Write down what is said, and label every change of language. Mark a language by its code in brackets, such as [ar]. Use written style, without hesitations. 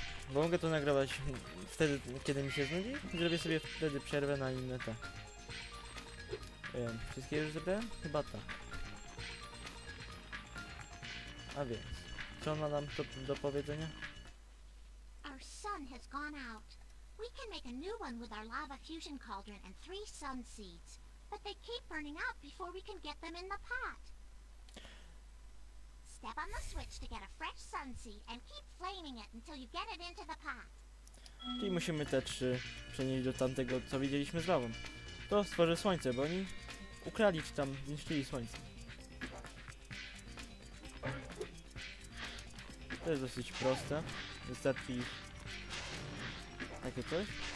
[pl] Bo mogę to nagrywać wtedy, kiedy mi się znudzi. Zrobię sobie wtedy przerwę na inne te. Wszystkie już zrobię? Chyba tak. A więc, co ma nam to do powiedzenia? [en] Our sun has gone out. We can make a new one with our lava fusion cauldron and 3 sun seeds. But they keep burning out before we can get them in the pot. Step on the switch to get a fresh sun seed and keep flaming it until you get it into the pot. [pl] Czyli musimy te 3 przenieść do tamtego, co widzieliśmy z lawą. To stworzy słońce, bo oni ukrali czy tam zniszczyli słońce. To jest dosyć proste. Wystarczy ich takie coś.